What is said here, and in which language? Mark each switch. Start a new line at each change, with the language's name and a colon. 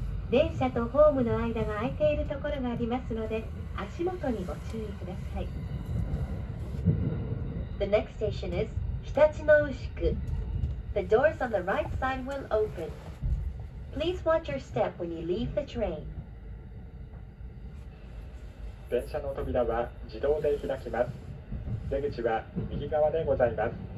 Japanese: 電車とホームの間が空いているところがありますので足元にご注意ください。
English: The next station is 常陸牛久。 The doors on the right side will open. Please watch your step when you leave the train.
Japanese: 電車の扉は自動で開きます。出口は右側でございます。